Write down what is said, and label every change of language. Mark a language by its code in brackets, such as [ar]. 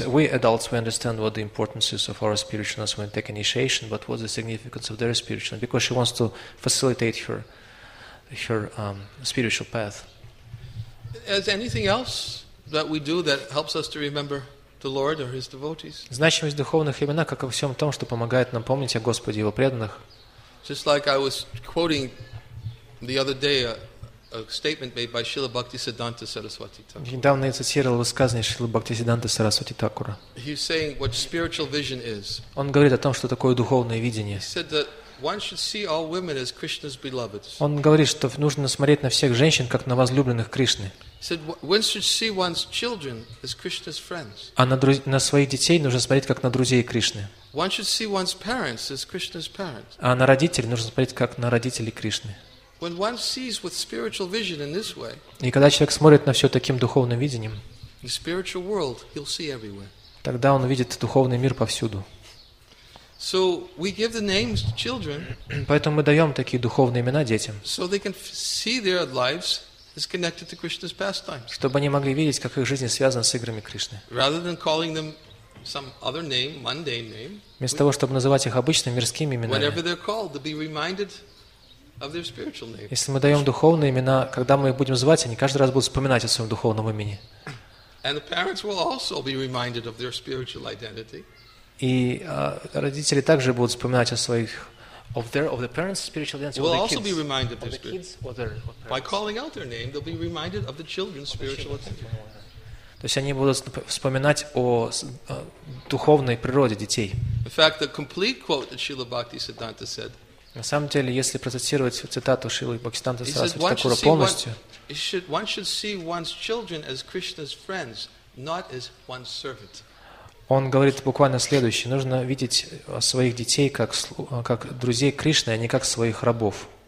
[en] Because we adults, we understand what the importance is of our spiritualness when we take initiation, but what's the significance of their spiritualness? Because she wants to facilitate her spiritual path. Is anything else that we do that helps us to remember the Lord or His devotees? [ru] Значимость духовных имен, как и во всем том, что помогает нам помнить о Господе и Его преданных. [en] Just like I was quoting the other day a statement made by Srila Bhaktisiddhanta Saraswati Thakura. [ru] Недавно я цитировал высказывание Шрилы Бхактисиддханты Сарасвати Такура. [en] He's saying what spiritual vision is. [ru] Он говорит о том, что такое духовное видение. [en] He said that one should see all women as Krishna's beloved. [ru] Он говорит, что нужно смотреть на всех женщин как на возлюбленных Кришны. [en] He said, one should see one's children as Krishna's friends. [ru] А на своих детей нужно смотреть как на друзей Кришны. [en] One should see one's parents as Krishna's parents. [ru] А на родителей нужно смотреть как на родителей Кришны. [en] When one sees with spiritual vision in this way, [ru] и когда человек смотрит на все таким духовным видением, [en] the spiritual world he'll see everywhere. [ru] Тогда он видит духовный мир повсюду. [en] So we give the names to children. [ru] Поэтому мы даем такие духовные имена детям. [en] So they can see their lives is connected to Krishna's pastimes. [ru] Чтобы они могли видеть, как их жизнь связана с играми Кришны. [en] Rather than calling them some other name, mundane name. [ru] Вместо того, чтобы называть их обычными мирскими именами. [en] Whatever they're called, to be reminded of their spiritual name. [ru] Если мы даем духовные имена, когда мы их будем звать, они каждый раз будут вспоминать о своем духовном имени. [en] And the parents will also be reminded of their spiritual identity. [ru] И родители также будут вспоминать о своих [en] of the parents' spiritual identity. Will the also kids, be reminded of their the kids, or their parents. By calling out their name, they'll be reminded of the children's spiritual identity. [ru] То есть они будут вспоминать о духовной природе детей. [en] In fact, the complete quote that Srila Bhaktisiddhanta said. [ru] На самом деле, если процитировать цитату Шрилы Бхактисиддханты Сарасвати Такура полностью, [en] one should see one's children as Krishna's friends, not as one's servant. [ru] Он говорит буквально следующее: нужно видеть своих детей как друзей Кришны, а не как своих рабов.